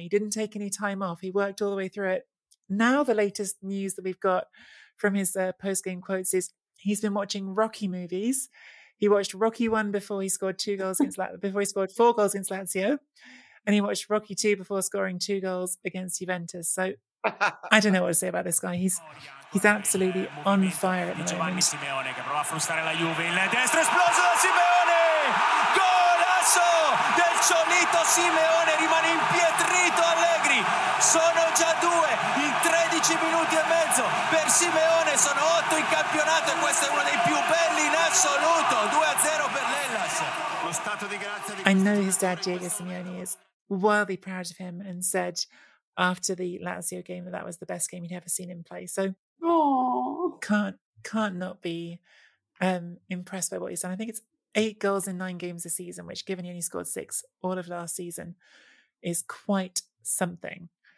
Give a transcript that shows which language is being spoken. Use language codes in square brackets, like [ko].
[en] He didn't take any time off. He worked all the way through it. Now the latest news that we've got from his post-game quotes is he's been watching Rocky movies. He watched Rocky 1 before he scored two goals against before he scored four goals against Lazio. And he watched Rocky 2 before scoring two goals against Juventus. So I don't know what to say about this guy. He's absolutely on fire at the moment. [it] Simeone che prova a frustare la Juve, il destro esploso da Simeone! Golazo del Cholito Simeone, rimane impietrito Allegri. Sono già due in 13 minuti e mezzo per Simeone, sono 8 in campionato e questo è uno dei più belli in assoluto. 2-0 per l'Hellas. Lo stato di grazia di [en] I know his dad Diego Simeone is wildly proud of him and said after the Lazio game that was the best game he'd ever seen him play. So can't not be impressed by what he's done. I think it's 8 goals in 9 games a season, which, given he only scored 6 all of last season, is quite something.